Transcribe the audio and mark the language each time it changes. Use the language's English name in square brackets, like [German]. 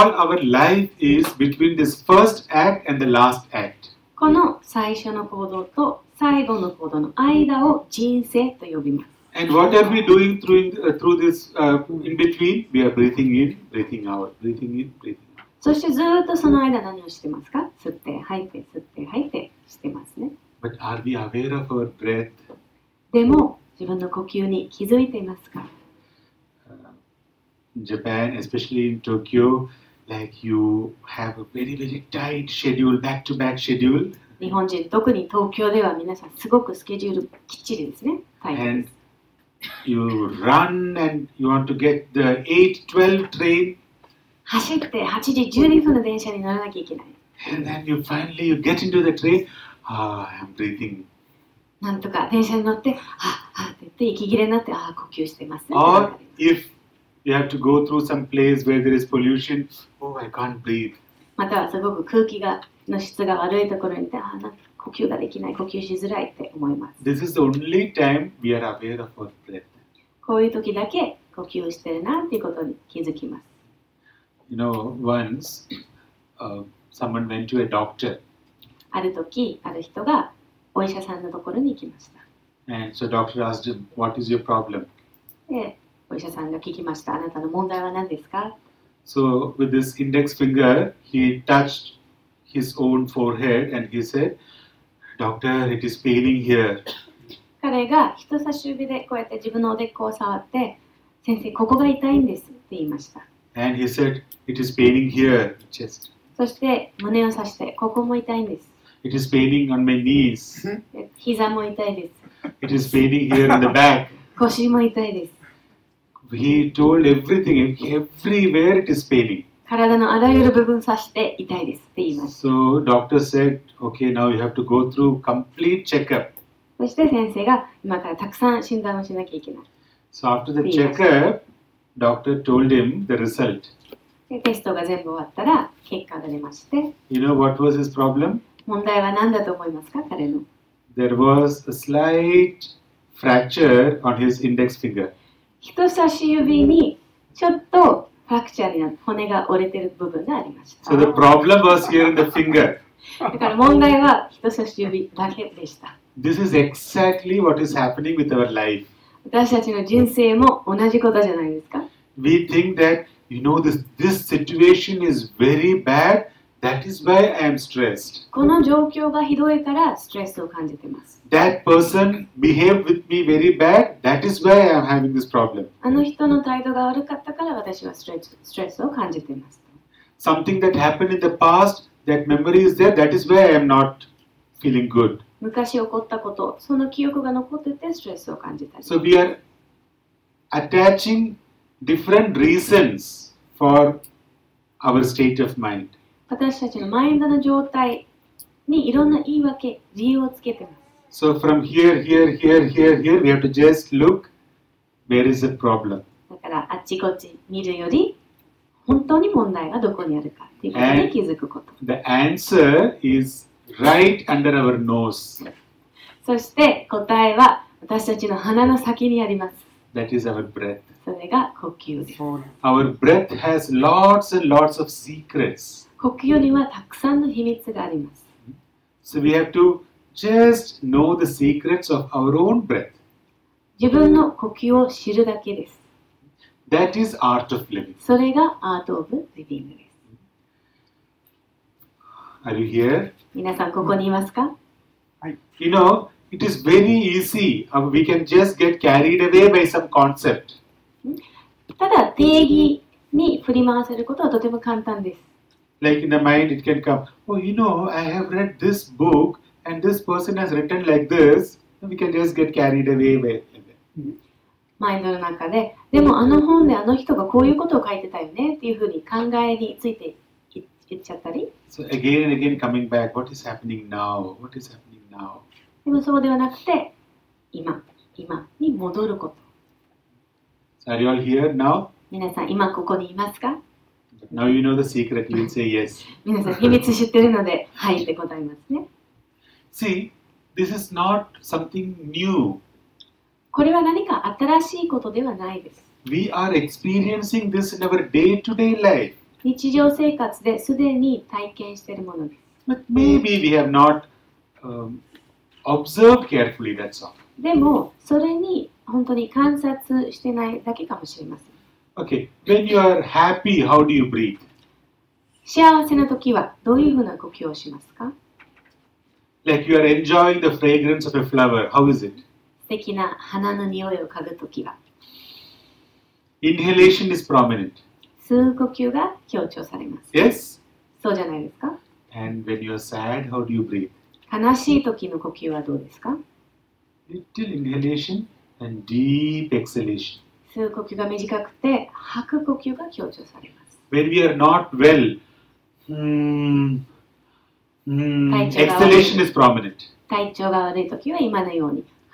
[English] So what we call our life is between this first act and the last act. [Japanese] この最初の行動と最後の行動の間を人生と呼びます。 [English] And what are we doing through this in between? We are breathing in, breathing out, breathing in, breathing out. [Japanese] そしてずっとその間何をしてますか?吸って吐いて、吸って吐いてしてますね。 [English] But are we aware of our breath? [Japanese] でも自分の呼吸に気づいていますか? [English] Japan, especially in Tokyo, like you have a very, very tight schedule, back-to-back schedule. [Japanese] 日本人、特に東京では皆さんすごくスケジュールきっちりですね。 [English] And you run and you want to get the 8-12 train. [Japanese] 走って8時12分の電車に乗らなきゃいけない。 [English] And then you finally you get into the train. I'm breathing. [Japanese] なんとか電車に乗って、って息切れになって、呼吸してます。 [English] Or if you have to go through some place where there is pollution, I can't breathe. [Japanese] またはすごく空気がの質が悪いところにいて、呼吸ができない、呼吸しづらいって思います。 [English] This is the only time we are aware of our breath. [Japanese] こういう時だけ呼吸してるなっていうことに気づきます。 [English] You know, once, someone went to a doctor. [Japanese] ある時、ある人がお医者さんのところに行きました。 [English] And so doctor asked him, what is your problem? [Japanese] で、お医者さんが聞きました。あなたの問題は何ですか? [English] So with this index finger, he touched his own forehead and he said, doctor, it is paining here. [Japanese] 彼が人差し指でこうやって自分のおでこを触って、先生、ここが痛いんですって言いました。 [English] And he said, it is paining here, chest. [Japanese] そして胸を刺して、ここも痛いんです。 [English] It is paining on my knees. [Japanese] 膝も痛いです。 [English] It is paining here in the back. [Japanese] 腰も痛いです。 [English] He told everything, everywhere it is paining. [Japanese] 体のあらゆる部分刺して痛いですって言います。 [English] So doctor said, okay, now you have to go through complete checkup. [Japanese] そして先生が今からたくさん診断をしなきゃいけない。 [English] So after the checkup, doctor told him the result. [Japanese] テストが全部終わったら結果が出まして。 [English] You know what was his problem? [Japanese] 問題は何だと思いますか、彼の。 [English] There was a slight fracture on his index finger. [Japanese] 人差し指にちょっとフラクチャーになる骨が折れてる部分がありました。 [English] So the problem was here in the finger. [Japanese] だから問題は人差し指だけでした。 [English] This is exactly what is happening with our life. [Japanese] 私たちの人生も同じことじゃないですか。 [English] We think thatYou know, this situation is very bad. That is why I am stressed. [Japanese] この状況がひどいからストレスを感じてます。 [English] That person behaved with me very bad. That is why I am having this problem. [Japanese] あの人の態度が悪かったから私はストレスを感じてます。 [English] Something that happened in the past, that memory is there. That is why I am not feeling good. [Japanese] 昔起こったこと、その記憶が残っててストレスを感じたり。 [English] So we are attaching... Different reasons for our state of mind. [Japanese] 私たちのマインドの状態にいろんな言い訳、理由をつけてます。 [English] So from here, we have to just look where is the problem. [Japanese] だからあっちこっち見るより本当に問題がどこにあるかっていうことに気づくこと。 [English] The answer is right under our nose. [Japanese] そして答えは私たちの鼻の先にあります。 [English] That is our breath. [Japanese] それが呼吸です。 [English] Our breath has lots and lots of secrets. [Japanese] 呼吸にはたくさんの秘密があります。 [English] So we have to just know the secrets of our own breath. [Japanese] 自分の呼吸を知るだけです。 [English] That is art of living. [Japanese] それが art of living です。 [English] Are you here? [Japanese] 皆さんここにいますか？はい。 [English] You know, it is very easy. We can just get carried away by some concept. [Japanese] ただ定義に振り回せることはとても簡単です。 [English] Like in the mind, it can come. Oh, you know, I have read this book and this person has written like this. We can just get carried away by it. [Japanese] マインドの中で、でもあの本であの人がこういうことを書いてたよねっていうふうに考えについて言っちゃったり。 [English] So again and again coming back, what is happening now? What is happening now? [Japanese] でもそうではなくて、今に戻ること。 [English] So are you all here now? [Japanese] 皆さん今ここにいますか？ [English] Now you know the secret, you will say yes. [Japanese] 皆さん秘密知ってるので、はいって答えますね。 [English] See, this is not something new. [Japanese] これは何か新しいことではないです。 [English] We are experiencing this in our day-to-day life. [Japanese] 日常生活ですでに体験しているものです。 [English] But maybe we have not, observed carefully, that's all. でも、それに本当に観察してないだけかもしれません。 Okay. When you are happy, how do you breathe? [Japanese] 幸せな時はどういうふうな呼吸をしますか？ [English] Like you are enjoying the fragrance of a flower. How is it? [Japanese] 素敵な花の匂いを嗅ぐときは [English] Inhalation is prominent. [Japanese] 吸う呼吸が強調されます。 [English] Yes? [Japanese] そうじゃないですか？ [English] And when you're sad, how do you breathe? [Japanese] 悲しいときの呼吸はどうですか？ [English] Little inhalation and deep exhalation. [Japanese] 吸う呼吸が短くて吐く呼吸が強調されます。 [English] When we are not well, exhalation is prominent. [Japanese] 体調が悪いときは今のように。